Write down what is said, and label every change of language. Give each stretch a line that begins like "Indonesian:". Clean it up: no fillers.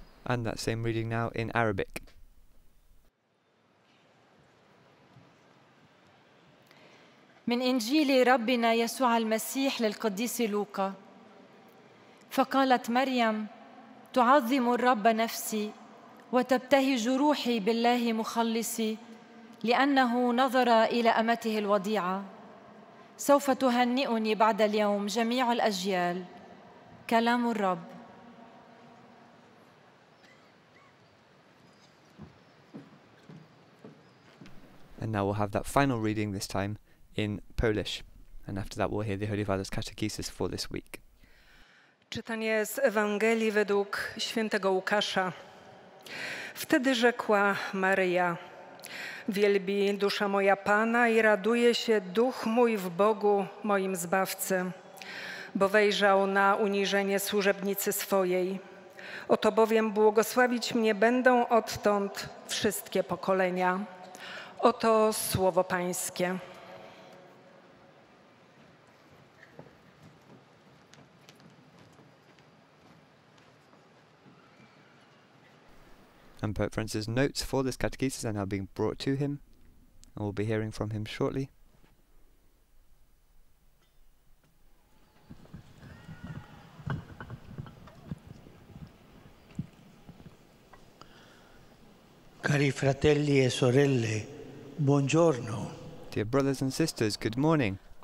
English: And that same reading now in Arabic.
Arabic: من إنجيل ربنا يسوع المسيح للقديس لوقا. فقالت مريم تعظم الرب نفسي وتبتهج روحي بالله مخلصي لأنه نظر إلى أمته الوضيعة. سوف تهنئني بعد اليوم جميع الأجيال. كلام الرب.
English: And now we'll have that final reading, this time in Polish. And after that we'll hear the Holy Father's catechesis for this week.
Polish: Czytanie z Ewangelii według świętego Łukasza. Wtedy rzekła Maryja: Wielbi dusza moja Pana i raduje się duch mój w Bogu, moim Zbawcy, bo wejrzał na uniżenie służebnicy swojej. Oto bowiem błogosławić mnie będą odtąd wszystkie pokolenia. Oto słowo Pańskie.
English: And Pope Francis' notes for this catechesis are now being brought to him, and we'll be hearing from him shortly.
Italian: Cari fratelli e sorelle, buongiorno.
English: Dear brothers and sisters, good morning.